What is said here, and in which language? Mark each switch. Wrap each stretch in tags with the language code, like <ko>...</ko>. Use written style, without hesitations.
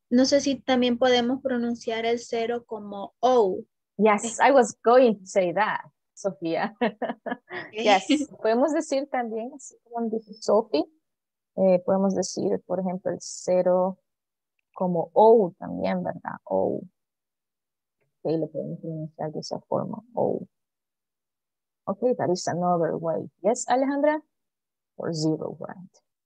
<es>No sé si también podemos pronunciar el cero como O.</es> <en>Yes, I was going to say that, Sofía.</en> <es>Yes, podemos decir también, así como dice Sofía, podemos decir, por ejemplo, el cero como O también, ¿verdad? O. Ok, lo podemos pronunciar de esa forma, O.</es> <en>Ok, that is another way. Yes, Alejandra? Or zero, right?</en>